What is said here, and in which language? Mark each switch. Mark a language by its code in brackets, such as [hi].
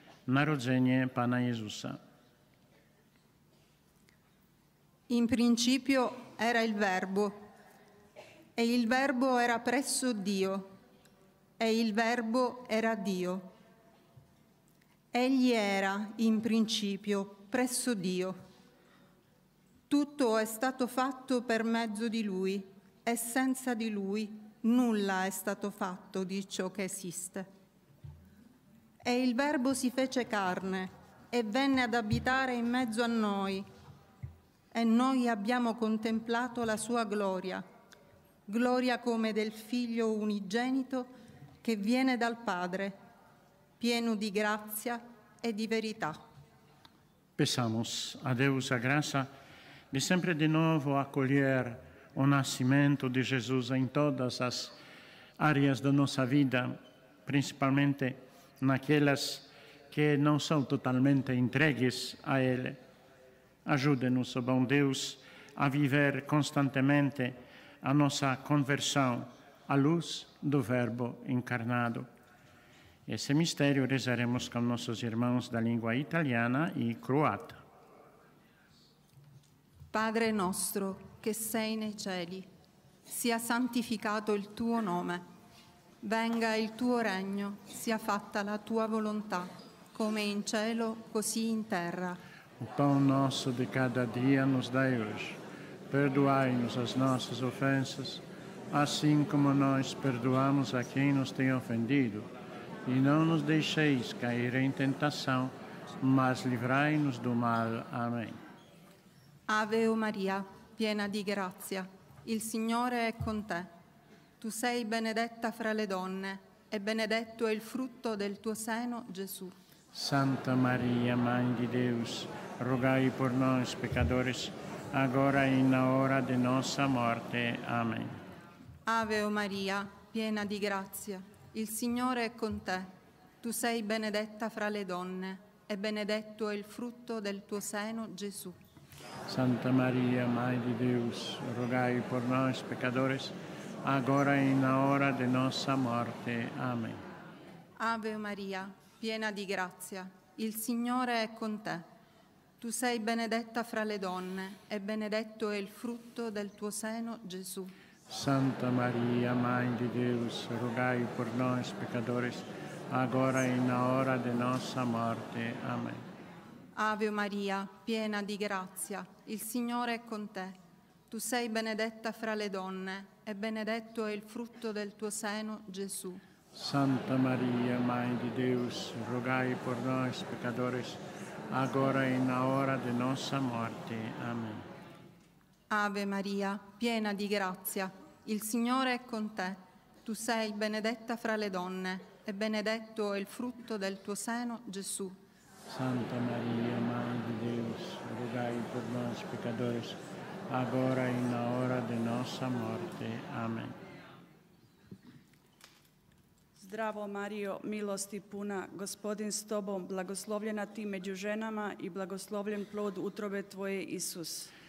[pl] Narodzenie Pana Jezusa. [it] In principio era il Verbo, e il Verbo era presso Dio, e il Verbo era Dio. Egli era, in principio, presso Dio. Tutto è stato fatto per mezzo di Lui, e senza di Lui nulla è stato fatto di ciò che esiste. E il Verbo si fece carne e venne ad abitare in mezzo a noi, e noi abbiamo contemplato la sua gloria, gloria come del Figlio unigenito che viene dal Padre, pieno di grazia e di verità. [pt] Pensamos a Deus a graça de sempre de novo acolher o nascimento de Jesus em todas as áreas da nossa vida, principalmente naquelas que não são totalmente entregues a Ele. Ajude-nos, ó bom Deus, a viver constantemente a nossa conversão à luz do Verbo encarnado. Esse mistério rezaremos com nossos irmãos da língua italiana e croata. [it] Padre nostro che sei nei cieli, sia santificato il tuo nome, venga il tuo regno, sia fatta la tua volontà, come in cielo, così in terra. [pt] O pão nosso de cada dia nos dai hoje, perdoai-nos as nossas ofensas, assim como nós perdoamos a quem nos tem ofendido, e não nos deixeis cair em tentação, mas livrai-nos do mal. Amém. [it] Ave o Maria, piena di grazia, il Signore è con te. Tu sei benedetta fra le donne e benedetto è il frutto del tuo seno, Gesù. [pt] Santa Maria, Mãe di Deus, rogai por nós, pecadores, agora e na hora de nossa morte. Amen. [it] Ave o Maria, piena di grazia, il Signore è con te. Tu sei benedetta fra le donne e benedetto è il frutto del tuo seno, Gesù. [pt] Santa Maria, Mãe de Deus, rogai por nós, pecadores, agora e na hora de nossa morte. Amém. [it] Ave Maria, piena di grazia, il Signore è con te. Tu sei benedetta fra le donne e benedetto è il frutto del tuo seno, Gesù. [pt] Santa Maria, Mãe de Deus, rogai por nós, pecadores, agora e na hora de nossa morte. Amém. [it] Ave Maria, piena di grazia, il Signore è con te. Tu sei benedetta fra le donne, e benedetto è il frutto del tuo seno, Gesù. [pt] Santa Maria, Mãe de Deus, rogai por nós, pecadores, agora e na hora de nossa morte. Amém. [it] Ave Maria, piena di grazia, il Signore è con te. Tu sei benedetta fra le donne, e benedetto è il frutto del tuo seno, Gesù. [pt] Santa Maria, Mãe de Deus, rogai por nós, pecadores, agora e na hora de nossa morte. Amém. [hr] Zdravo Mario, milosti puna, Gospodin s tobom, blagoslovljena ti među ženama i blagoslovljen plod utrobe tvoje, Isus.